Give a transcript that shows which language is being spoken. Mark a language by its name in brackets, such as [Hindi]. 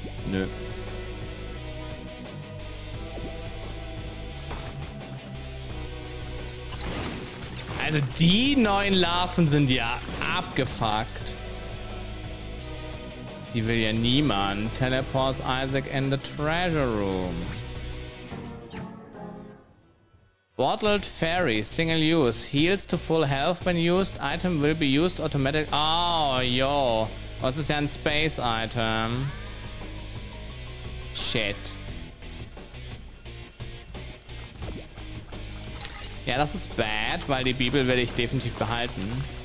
[German] Nö. Also die neuen Larven sind ja abgefuckt. Die will ja niemand. [English] Teleports Isaac in the treasure room. Bottled Fairy, single use. Heals to full health when used. Item will be used automatic. Oh, yo. [German] Was ist ja ein Space Item? Shit. Ja, das ist bad, weil die Bibel werde ich definitiv behalten.